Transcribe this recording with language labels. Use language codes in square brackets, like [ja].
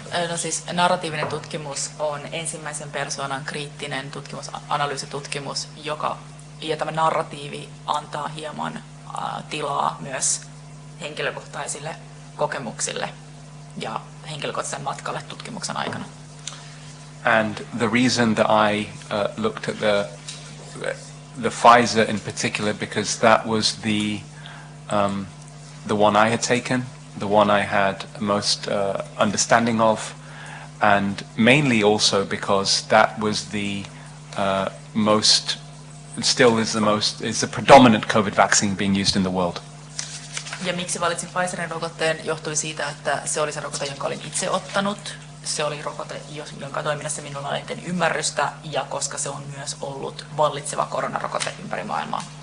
[fi] No siis narratiivinen tutkimus on ensimmäisen persoonan kriittinen tutkimus, analyysitutkimus, ja tämä narratiivi antaa hieman tilaa myös henkilökohtaisille kokemuksille ja henkilökohtaisen matkalle tutkimuksen aikana. [en] And the reason that I looked at the Pfizer in particular, because that was the one I had taken, the one I had most understanding of, and mainly also because that was the most, still is the most, is the predominant COVID vaccine being used in the world. [fi] Ja miksi valitsin Pfizerin rokotteen, johtui siitä, että se oli se rokote, jonka olin itse ottanut, se oli rokote, jonka toiminnassa minulla on eniten ymmärrystä, ja koska se on myös ollut vallitseva koronarokote ympäri maailmaa.